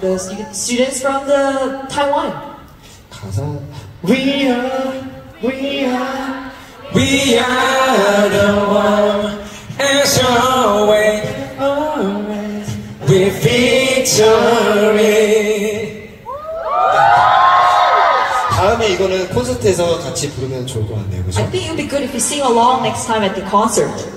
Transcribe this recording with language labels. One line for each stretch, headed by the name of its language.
English: The students from the Taiwan.
Korean: 가사.
English: We are the one, and so always we victory.
Korean: 이거는 콘서트에서 같이 부르면 좋을 것 같네요. 그죠?
English: I think it would be good if you sing along next time at the concert.